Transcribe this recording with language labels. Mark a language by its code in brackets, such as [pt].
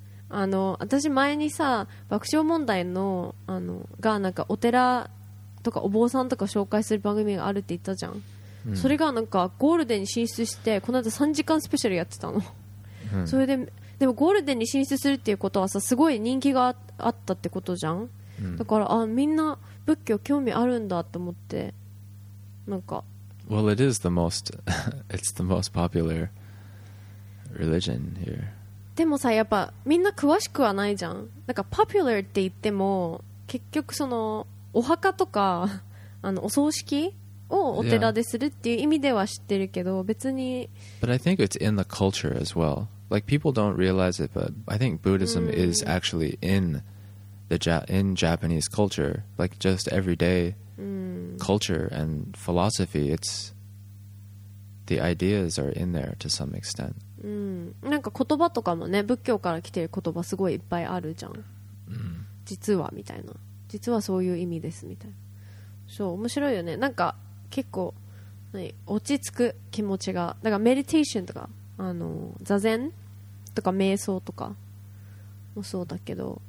[ja] あの私前にさ爆笑問題 の, あのがなんかお寺とかお坊さんとか紹介する番組があるって言ったじゃん、うん、それがなんかゴールデンに進出してこの後3時間スペシャルやってたの、うん、それででもゴールデンに進出するっていうことはさすごい人気があったってことじゃん、うん、だからあみんな仏教興味あるんだと思ってなんか [en] Well it is the most it's the most popular religion here [ja] でもさやっぱみんな詳しくはないじゃん。なんかポピュラーって言っても結局そのお墓とかあのお葬式をお寺でするっていう意味では知ってるけど、別に。 [en] But I think it's in the culture as well. Like people don't realize it, but I think Buddhism is actually in Japanese culture, like just everyday culture and philosophy. It's the ideas are in there to some extent. [ja] うん、なんか言葉とかもね仏教から来てる言葉すごいいっぱいあるじゃん、うん、実はみたいな実はそういう意味ですみたいなそう面白いよねなんか結構落ち着く気持ちがだからメディテーションとか座禅とか瞑想とかもそうだけど、